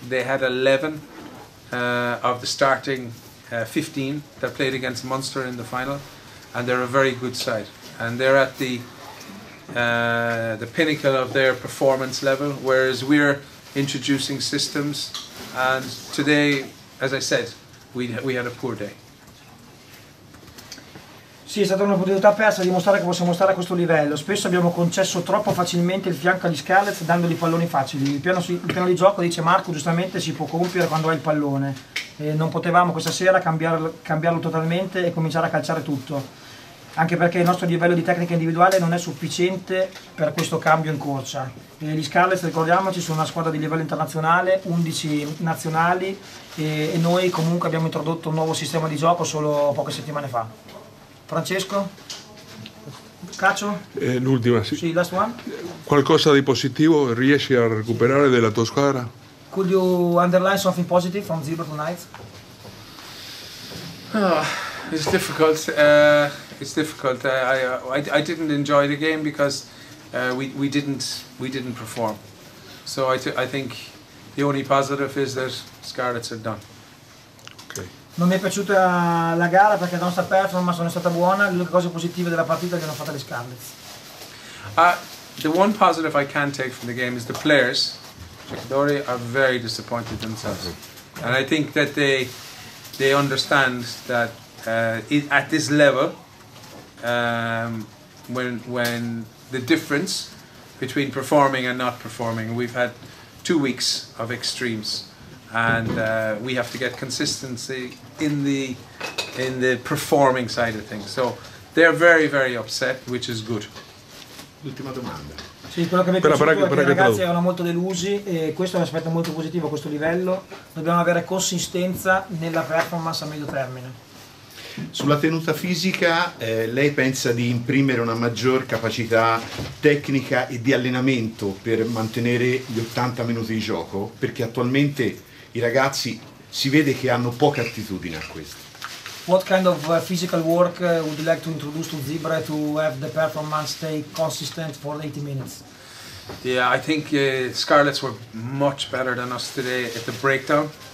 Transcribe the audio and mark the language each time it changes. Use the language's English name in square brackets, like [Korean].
[English] They had 11 of the starting 15 that played against Munster in the final, and they're a very good side. And they're at the pinnacle of their performance level, whereas we're introducing systems. And today, as I said, we had a poor day. [Italian] Sì, è stata un'opportunità persa di dimostrare che possiamo stare a questo livello. Spesso abbiamo concesso troppo facilmente il fianco agli Scarlets dandogli palloni facili. Il piano di gioco, dice Marco, giustamente si può compiere quando hai il pallone. E non potevamo questa sera cambiarlo totalmente e cominciare a calciare tutto. Anche perché il nostro livello di tecnica individuale non è sufficiente per questo cambio in corsa. E gli Scarlets, ricordiamoci, sono una squadra di livello internazionale, 11 nazionali, e noi comunque abbiamo introdotto un nuovo sistema di gioco solo poche settimane fa. Francesco? Caccio? L'ultima, sì. [English] Sì, last one. [Italian] Qualcosa di positivo riesci a recuperare della tua squadra? [English] Could you underline something positive from Zebra tonight? Oh, it's difficult. I didn't enjoy the game because we didn't perform. So I think the only positive is that Scarlets are done. [Italian] Non mi è piaciuta la gara perché la nostra performance non è stata buona. Le cose positive della partita le hanno fatte le Scarlets. [English] The one positive I can take from the game is the players. Giocatori are very disappointed themselves, and I think that they understand that at this level, when the difference between performing and not performing, we've had 2 weeks of extremes, and we have to get consistency in the performing side of things. So they're very, very upset, which is good. [Italian] L'ultima domanda. Sì, quello che mi è piaciuto è che i ragazzi erano molto delusi e questo è un aspetto molto positivo a questo livello. Dobbiamo avere consistenza nella performance a medio termine. Sulla tenuta fisica, lei pensa di imprimere una maggior capacità tecnica e di allenamento per mantenere gli 80 minuti di gioco? Perché attualmente i ragazzi si vede che hanno poca attitudine a questo. [English] What kind of physical work would you like to introduce to Zebra to have the performance stay consistent for 80 minutes? Yeah, I think Scarlets were much better than us today at the breakdown.